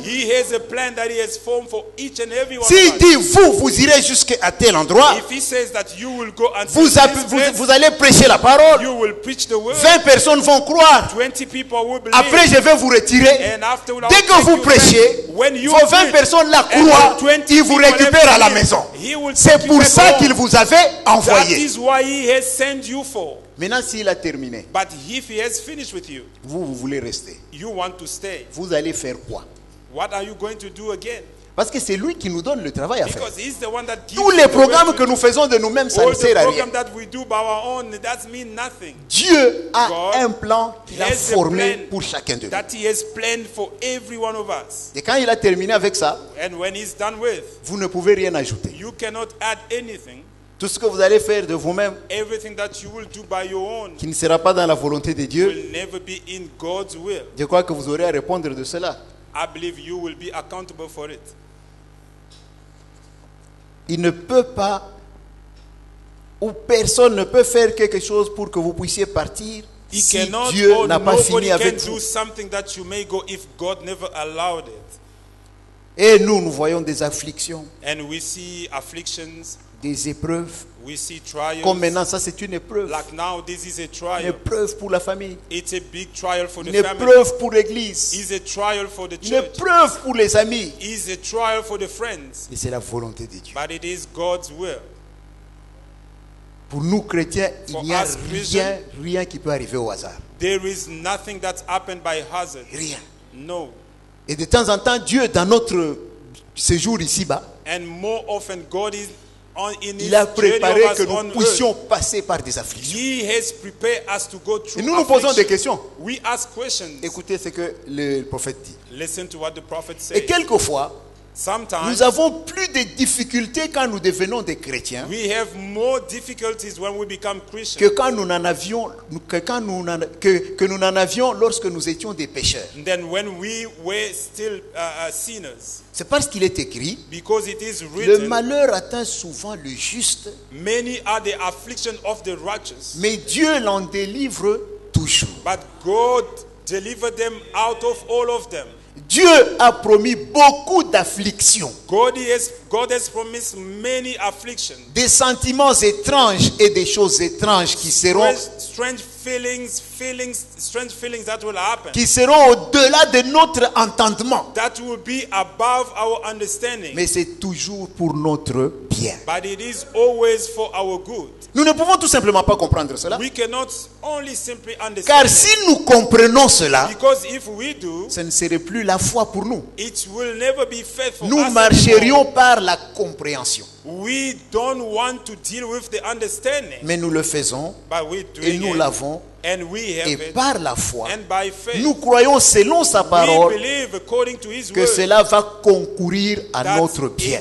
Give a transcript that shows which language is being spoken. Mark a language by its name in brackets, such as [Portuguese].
[English] He has a plan that he has formed for each and every one [French] si [English] of us. [French] S'il dit vous irez jusqu'à tel endroit. [English] If he says that you will go and [French] vous allez prêcher la parole. [English] You will preach the word. [French] 20 personnes vont croire. [English] 20 people will believe. [French] Après je vais vous retirer. [English] And after we'll [French] dès que vous prêchez, [English] when you [French] vos 20 personnes la croient, il vous récupère à la maison. [English] He will [French] c'est pour ça qu'il vous avait envoyé. [English] That is why he has sent you for. [French] Maintenant, s'il a terminé, [English] but if he has finished with you, [French] vous voulez rester. [English] You want to stay. [French] Vous allez faire quoi? [English] What are you going to do again? [French] Parce que c'est lui qui nous donne le travail à faire. Tous les programmes que nous faisons de nous-mêmes, ça ne sert à rien. [English] That we do by our own, that mean nothing. [French] Dieu a God un plan qu'il a formé pour chacun de nous. Et quand il a terminé avec ça, [English] and when he's done with, [French] vous ne pouvez rien ajouter. [English] You cannot add anything. [French] Tout ce que vous allez faire de vous-même, [English] everything that you will do by your own, [French] qui ne sera pas dans la volonté de Dieu, [English] will never be in God's will. [French] Je crois que vous aurez à répondre de cela. [English] I believe you will be accountable for it. [French] Il ne peut pas, ou personne ne peut faire quelque chose pour que vous puissiez partir [English] he [French] si [English] cannot, [French] Dieu n'a pas fini avec [English] can [French] vous. [English] Do something that you may go if God never allowed it. [French] Et nous voyons des afflictions, [English] and we see afflictions, [French] des épreuves. [English] We see trials. [French] Comme maintenant, ça c'est une épreuve. [English] Like now, this is a trial. [French] Une épreuve pour la famille. [English] It's a big trial for the [French] une épreuve [English] family. [French] Pour l'église. [English] It's a trial for the church. [French] Une épreuve pour les amis. [English] It's a trial for the friends. [French] Et c'est la volonté de Dieu. [English] But it is God's will. [French] Pour nous chrétiens, il n'y a rien qui peut arriver au hasard. [English] There is nothing that's happened by hazard. [French] Rien. [English] No. [French] Et de temps en temps, Dieu dans notre séjour ici-bas. [English] And more often, God is [French] il a préparé que nous puissions passer par des afflictions. Et nous [English] affliction. [French] Nous posons des questions. [English] We ask questions. [French] Écoutez ce que le prophète dit. [English] Listen to what the prophet says. [French] Et quelquefois, [English] sometimes, [French] nous avons plus de difficultés quand nous devenons des chrétiens [English] we have more difficulties when we become Christians, [French] que quand nous n'en avions que nous n'en avions lorsque nous étions des pécheurs. [English] Then when we were still sinners. [French] C'est parce qu'il est écrit, [English] because it is written, [French] le malheur atteint souvent le juste, [English] many are the affliction of the righteous, [French] mais Dieu l'en délivre toujours. [English] But God delivered them out of all of them. [French] Dieu a promis beaucoup d'afflictions. [English] God has promised many afflictions. [French] Des sentiments étranges et des choses étranges qui seront [English] strange feelings that will happen. [French] Qui seront au-delà de notre entendement. [English] That will be above our understanding. [French] Mais c'est toujours pour notre bien. [English] But it is always for our good. [French] Nous ne pouvons tout simplement pas comprendre cela. [English] We cannot only simply understand. [French] Car si nous comprenons cela, [English] because if we do, [French] ce ne serait plus la foi pour nous. [English] It will never be faith for [French] nous [English] us [French] marcherions [English] anymore. [French] Par la compréhension. [English] We don't want to deal with the understanding. [French] Mais nous le faisons [English] but we do [French] et nous [English] it. [French] L'avons. [English] And we have [French] et par la foi, [English] and by faith, [French] nous croyons selon sa parole [English] we believe according to his [French] que [English] word, [French] cela va concourir à notre bien.